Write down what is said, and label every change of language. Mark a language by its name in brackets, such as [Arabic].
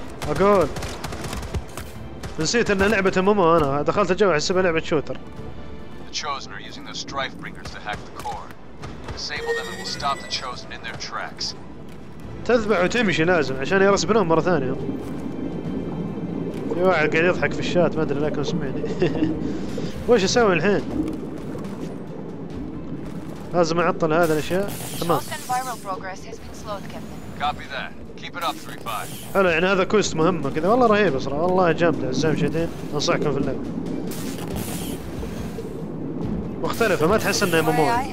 [Arabic] اقول نسيت ان لعبة مومو، انا دخلت الجو احسبها لعبة شوتر. [English] The Chosen are using the Strife Bringers to hack the core. Disable them and we'll stop the Chosen in their tracks. [Arabic] تذبح وتمشي لازم عشان يرسبنهم مرة ثانية. في واحد قاعد يضحك في الشات ما ادري لكن سمعني. وش اسوي الحين؟ لازم اعطل هذا الاشياء. تمام. [English] Chosen viral progress has been slowed, Captain. Copy that. [Arabic] حلو، يعني هذا كوست مهمة كذا. والله رهيب صراحة، والله جامد عزام شديد، انصحكم في اللعبة. مختلفة ما تحس انها مومو.